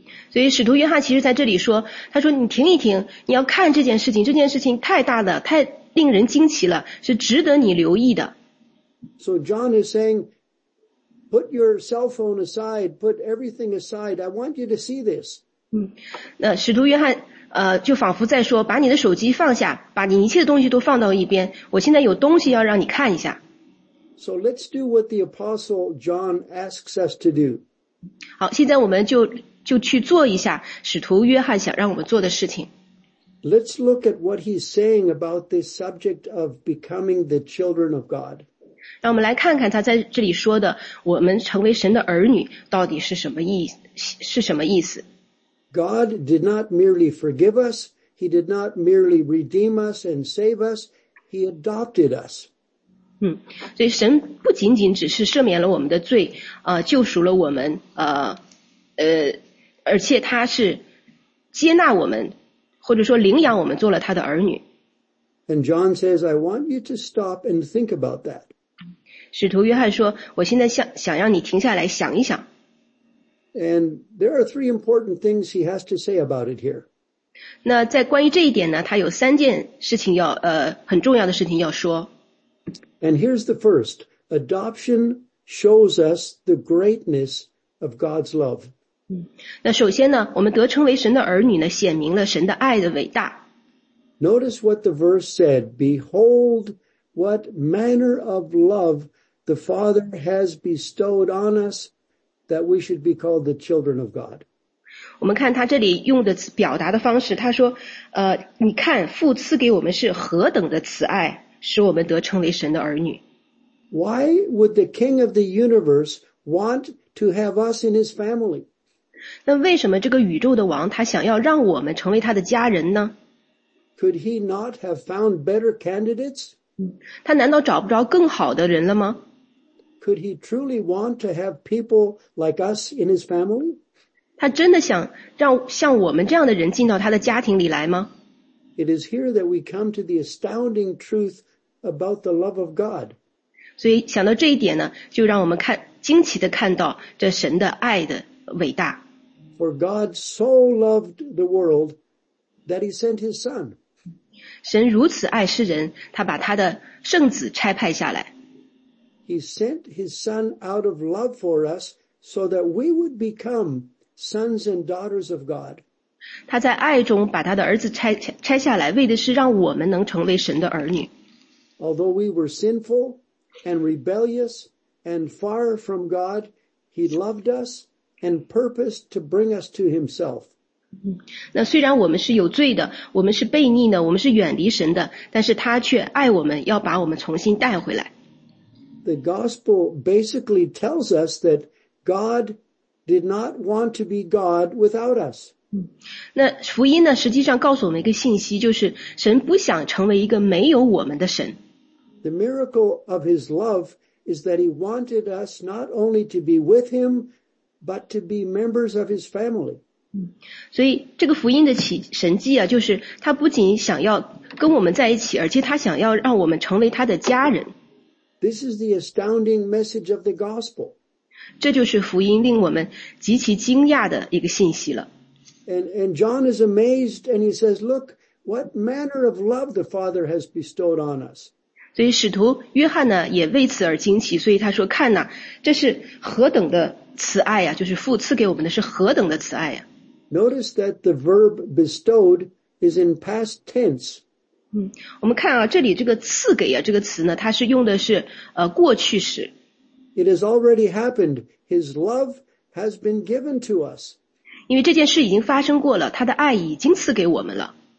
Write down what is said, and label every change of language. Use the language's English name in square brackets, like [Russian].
[Chinese] 所以使徒约翰其实在这里说，他说你停一停，你要看这件事情，这件事情太大了，太令人惊奇了，是值得你留意的。 [English] So John is saying, put your cell phone aside, put everything aside. I want you to see this. [Chinese] 那使徒约翰就仿佛在说，把你的手机放下，把你一切东西都放到一边，我现在有东西要让你看一下。 [English] So let's do what the apostle John asks us to do. [Chinese] 好，现在我们就去做一下使徒约翰想让我们做的事情。 [English] Let's look at what he's saying about this subject of becoming the children of God. [Chinese] 让我们来看看他在这里说的，我们成为神的儿女到底是什么意思。 [English] God did not merely forgive us, he did not merely redeem us and save us, he adopted us. [Chinese] 所以神不仅仅只是赦免了我们的罪，救赎了我们，而且他是接纳我们，或者说领养我们做了他的儿女。 [English] And John says, I want you to stop and think about that. [Chinese] 使徒约翰说，我现在想让你停下来想一想。 [English] And there are 3 important things he has to say about it here. [Chinese] 那在关于这一点呢，他有三件事情要很重要的事情要说。 [English] And here's the first. Adoption shows us the greatness of God's love. [Chinese] 那首先呢，我们得称为神的儿女呢，显明了神的爱的伟大。 [English] Notice what the verse said. Behold, what manner of love the Father has bestowed on us that we should be called the children of God. [Chinese] 我们看他这里用的表达的方式，他说，你看父赐给我们是何等的慈爱，使我们得称为神的儿女。 [English] Why would the King of the universe want to have us in his family? [Chinese] 那为什么这个宇宙的王他想要让我们成为他的家人呢？ [English] Could he not have found better candidates? [Chinese] 他难道找不着更好的人了吗？ [English] Could he truly want to have people like us in his family? [Chinese] 他真的想让像我们这样的人进到他的家庭里来吗？ [English] It is here that we come to the astounding truth about the love of God. [Chinese] 所以想到这一点呢，就让我们看惊奇的看到这神的爱的伟大。 [English] For God so loved the world that he sent his son. [Chinese] 神如此爱世人，他把他的圣子差派下来。 [English] He sent his son out of love for us so that we would become sons and daughters of God. [Chinese] 他在爱中把他的儿子拆下来，为的是让我们能成为神的儿女。 [English] Although we were sinful and rebellious and far from God, he loved us and purposed to bring us to himself. [Chinese] 那虽然我们是有罪的，我们是悖逆的，我们是远离神的，但是他却爱我们，要把我们重新带回来。 [English] The gospel basically tells us that God did not want to be God without us. [Chinese] 那福音呢，实际上告诉我们一个信息，就是神不想成为一个没有我们的神。 [English] The miracle of his love is that he wanted us not only to be with him, but to be members of his family. [Chinese] 所以这个福音的神迹啊，就是他不仅想要跟我们在一起，而且他想要让我们成为他的家人。 [English] This is the astounding message of the gospel. [Chinese] 这就是福音令我们极其惊讶的一个信息了。 [English] And John is amazed and he says, look, what manner of love the Father has bestowed on us. [Chinese] 所以使徒约翰呢也为此而惊奇，所以他说看哪，这是何等的慈爱啊，就是父赐给我们的是何等的慈爱啊。 [English] Notice that the verb bestowed is in past tense. [Chinese] 我们看啊，这里这个赐给啊这个词呢，它是用的是过去式。 [English] It has already happened. His love has been given to us. [Chinese] 因为这件事已经发生过了，他的爱已经赐给我们了。